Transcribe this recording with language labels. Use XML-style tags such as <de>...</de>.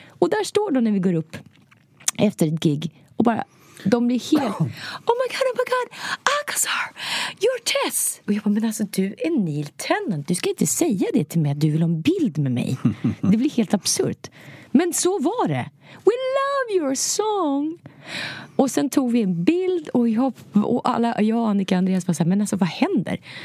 <sv>Och där står de när vi går upp efter ett gig. Och bara, de blir helt...</sv> <en>Oh my god, Alcazar, you're Tess.</en> <sv>Och jag bara, men alltså du är Neil Tennant. Du ska inte säga det till mig att du vill ha en bild med mig. Det blir helt absurt. Men så var det.</sv> <en>We love your song.</en> <sv>Och sen tog vi en bild och Annika och Andreas var så här, men alltså vad händer?</sv>